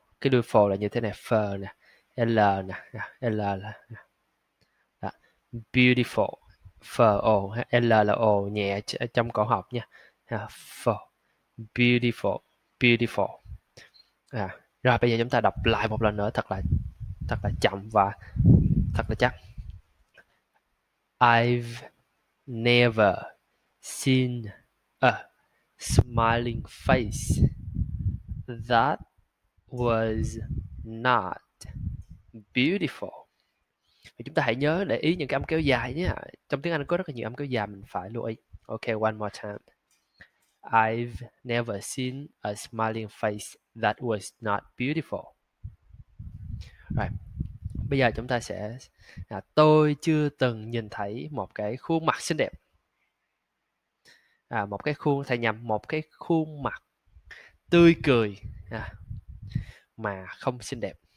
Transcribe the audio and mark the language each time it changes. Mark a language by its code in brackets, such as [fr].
[vi] Cái đuôi for là như thế này, for nè. L nè, L là nè. [en] Beautiful. [vi] For o, L là o nhẹ trong cổ họng nha. For. [en] Beautiful. Beautiful. [vi] Rồi bây giờ chúng ta đọc lại một lần nữa thật là chậm và thật là chắc. [en] I've never seen a smiling face. That was not beautiful. [vi] Thì chúng ta hãy nhớ để ý những cái âm kéo dài nhé. Trong tiếng Anh có rất là nhiều âm kéo dài mình phải lưu ý. [en] Okay, one more time. I've never seen a smiling face that was not beautiful. Right. [vi] Bây giờ chúng ta sẽ tôi chưa từng nhìn thấy một cái khuôn mặt xinh đẹp. Một cái khuôn thầy nhầm một cái khuôn mặt tươi cười mà không xinh đẹp.